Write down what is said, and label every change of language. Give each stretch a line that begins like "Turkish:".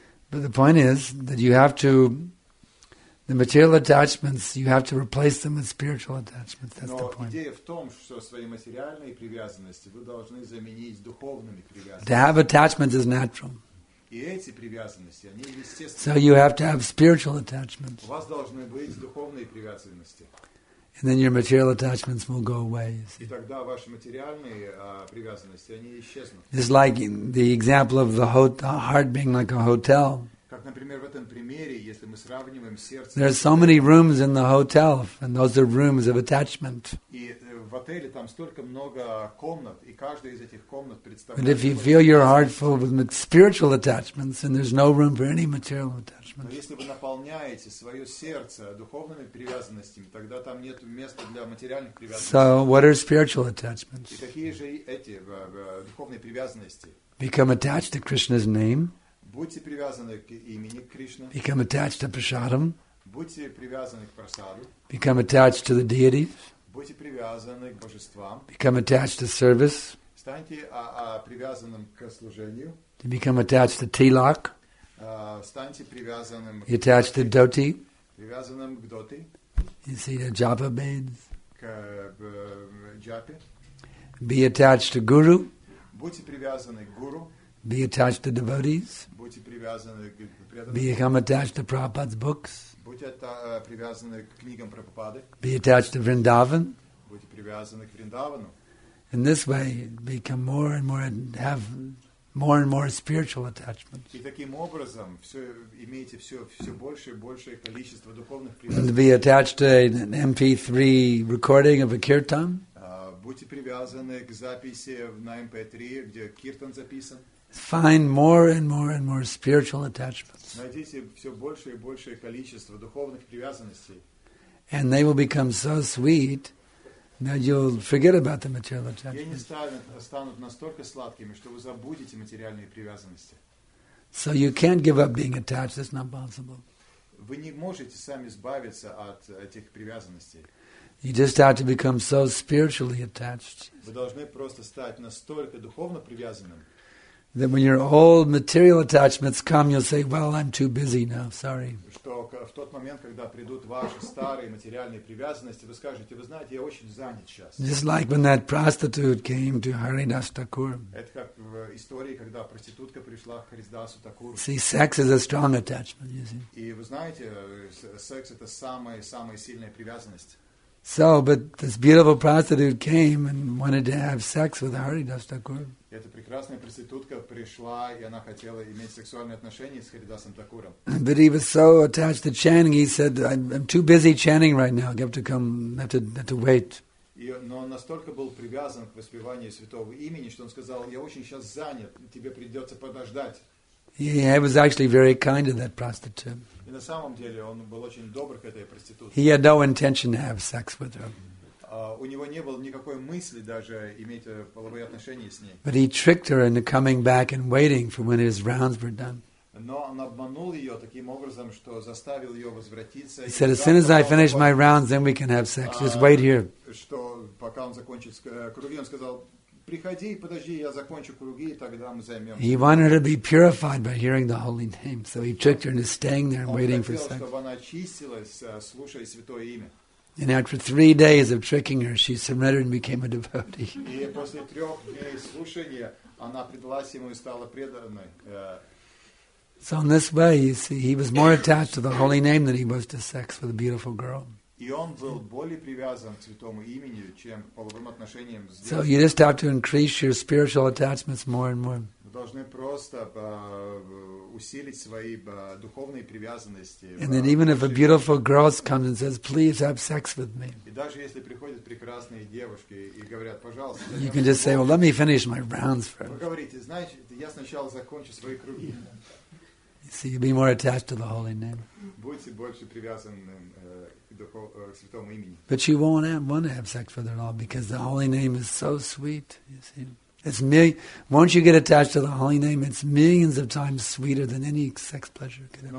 English: But the point is that you have to, the material attachments, you have to replace them with spiritual attachments. That's the point.
Russian: Идея в том, что свои материальные привязанности вы должны заменить духовными привязанностями.
English: To have attachments is natural.
Russian: И эти привязанности, они естественны.
English: So you have to have spiritual attachments.
Russian: У вас должны быть духовные привязанности.
English: And then your material attachments will go away.
Russian: И тогда ваши материальные привязанности, они исчезнут.
English: It's like the example of the heart being like a hotel.
Russian: Как, например, в этом примере, если мы сравниваем сердце.
English: There are so many rooms in the hotel, and those are rooms of attachment.
Russian: И в отеле там столько много комнат, и каждая из этих комнат представляет.
English: But if you fill your heart full with spiritual attachments, then there's no room for any material attachments.
Russian: Но если вы наполняете свое сердце духовными привязанностями, тогда там нет места для материальных привязанностей.
English: So what are spiritual attachments?
Russian: И какие же эти духовные привязанности?
English: Become attached to Krishna's name.
Russian: Будьте привязаны к имени Кришны.
English: Become attached to prasadam.
Russian: Будьте привязаны к прасаду.
English: Become attached to the deities.
Russian: Будьте привязаны к божествам.
English: Become attached to service.
Russian: Станьте привязанным к служению.
English: To become attached to tilak.
Russian: Станьте привязанным.
English: Be attached to doti.
Russian: Привязанным к доти.
English: You see the japa beads.
Russian: К джапе.
English: Be attached to guru.
Russian: Будьте привязаны к гуру.
English: Be attached to devotees.
Russian: Будьте привязаны к преданным.
English: Become attached to Prabhupada's books.
Russian: Будьте привязаны к книгам Прабхупады.
English: Be attached to Vrindavan.
Russian: Будьте привязаны к Вриндавану.
English: In this way, become more and more and have more and more spiritual attachments.
Russian: И таким образом все имеете все больше и больше количество духовных привязанностей.
English: Be attached to an MP3 recording of a kirtan.
Russian: Будьте привязаны к записи на MP3, где киртан записан.
English: Find more and more and more spiritual attachments.
Russian: Найдите все больше и большее количество духовных привязанностей.
English: And they will become so sweet that you'll forget about the material attachments.
Russian: И они станут настолько сладкими, что вы забудете материальные привязанности.
English: So you can't give up being attached. That's not possible.
Russian: Вы не можете сами избавиться от этих привязанностей.
English: You just have to become so spiritually attached.
Russian: Вы должны просто стать настолько духовно привязанным.
English: Then when your old material attachments come, you'll say, well, I'm too busy now, sorry.
Russian: Что в тот момент, когда придут ваши старые материальные привязанности, вы скажете, вы знаете, я очень занят сейчас.
English: Just like when that prostitute came to Haridas Thakur.
Russian: Это как в истории, когда проститутка пришла к Харидасу Такуру.
English: See, sex is a strong attachment, you see.
Russian: И вы знаете, секс – это самая сильная привязанность.
English: So, but this beautiful prostitute came and wanted to have sex with Haridas Thakur.
Russian: Эта прекрасная проститутка пришла, и она хотела иметь сексуальные отношения с Харидасом Такуром.
English: But he was so attached to chanting, he said, "I'm too busy chanting right now. I have to come. I have to wait."
Russian: Но он настолько был привязан к воспеванию святого имени, что он сказал: "Я очень сейчас занят. Тебе придется подождать."
English: Yeah, he was actually very kind to that prostitute.
Russian: И на самом деле он был очень добр к этой проститутке.
English: He had no intention to have sex with her.
Russian: У него не было никакой мысли даже иметь половые отношения с ней.
English: But he tricked her into coming back and waiting for when his rounds were done.
Russian: Но он обманул ее таким образом, что заставил ее возвратиться.
English: He said, as soon as I finish my rounds, then we can have sex. Just wait here.
Russian: Что пока он закончит круги, он сказал, приходи, подожди, я закончу круги, и тогда мы займемся.
English: He wanted her to be purified by hearing the holy name, so he tricked her into staying there and waiting for sex.
Russian: Он хотел, чтобы она очистилась, слушая святое имя.
English: And after 3 days of tricking her, she surrendered and became a devotee.
Russian: И после 3 дней слушания она предалась ему и стала преданной.
English: So in this way, you see, he was more attached to the holy name than he was to sex with a beautiful girl.
Russian: И он был более привязан к святому имени, чем к половым отношениям.
English: So you just have to increase your spiritual attachments more and more.
Russian: Вы должны просто усилить свои духовные привязанности.
English: And then even if a beautiful girl comes and says, "Please have sex with me."
Russian: И даже если приходят прекрасные девушки и говорят, пожалуйста.
English: You can just say, "Well, let me finish my rounds first."
Russian: Вы говорите, значит, я сначала закончу свои круги.
English: So you'll be more attached to the holy name.
Russian: Будьте больше привязаны к святому имени.
English: But you won't want to have sex with her at all because the holy name is so sweet. You see, it's once you get attached to the holy name, it's millions of times sweeter than any sex pleasure could ever be.